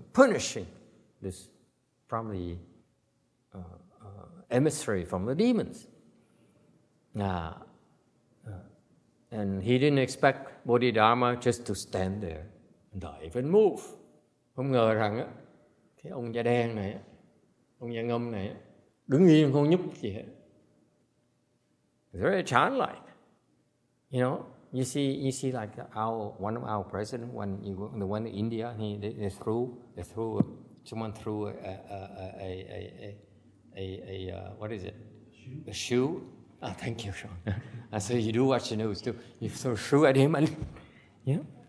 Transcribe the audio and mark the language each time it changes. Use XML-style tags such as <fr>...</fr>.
<en>Punishing this from the emissary from the demons. And he didn't expect Bodhidharma just to stand there and not even move.</en> <vi>Không ngờ rằng cái ông da đen này, ông da ngâm này đứng yên không nhúc gì hết.</vi> <en>Very childlike. You know, you see, like one of our president when you go, the one in India, they threw someone threw a shoe. Oh, thank you, Sean. So you do watch the news too. You throw a shoe at him, and yeah.</en>